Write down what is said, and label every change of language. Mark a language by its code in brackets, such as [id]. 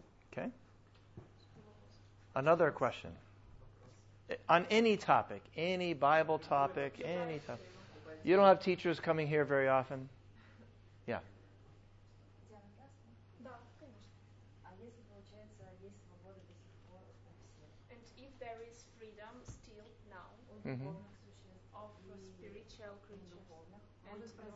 [en] Okay. Another question. On any topic, any Bible topic, any topic. You don't have teachers coming here very often? Yeah. [ru] Да, получается, есть свобода до сих пор у всех. [en] And if there is freedom still now of spiritual creatures,